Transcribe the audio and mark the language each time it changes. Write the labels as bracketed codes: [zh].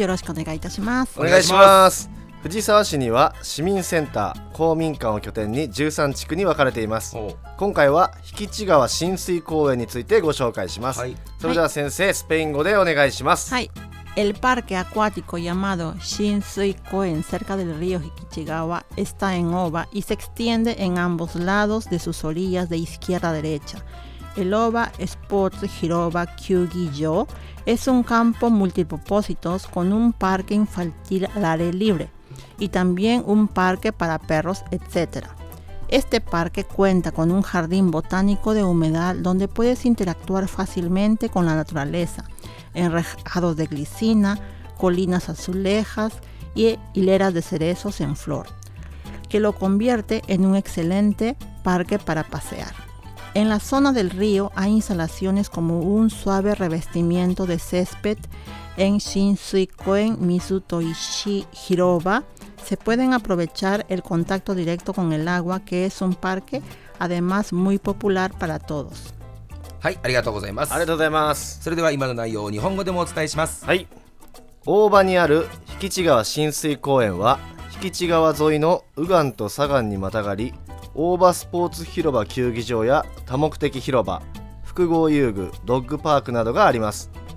[ja] よろしくお願いいたします。お願いします。藤沢市には市民センター、公民館を拠点に13地区に分かれています。今回は引地川浸水公園についてご紹介します。はい、それでは先生、はい、スペイン語でお願いします。はい、 [es] El parque acuático llamado Shinsui Koen cerca del río Hikichigawa está en OVA y se extiende en ambos lados de sus orillas de izquierda a derecha. El OVA Sports Hiroba Kyugi-jo es un campo multipropósitos con un parque infantil al aire libre y también un parque para perros, etc. Este parque cuenta con un jardín botánico de humedad donde puedes interactuar fácilmente con la naturaleza. Enrejados de glicina, colinas azulejas y hileras de cerezos en flor, que lo convierte en un excelente parque para pasear. En la zona del río hay instalaciones como un suave revestimiento de césped en Shinsui Koen Mizutoishi Hiroba. Se pueden aprovechar el contacto directo con el agua, que es un parque además muy popular para todos. [ja] はい、ありがとうございます。ありがとうございます。それでは今の内容を日本語でもお伝えします。はい、大場にある引地川浸水公園は引地川沿いの右岸と左岸にまたがり、大場スポーツ広場球技場や多目的広場、複合遊具、ドッグパークなどがあります。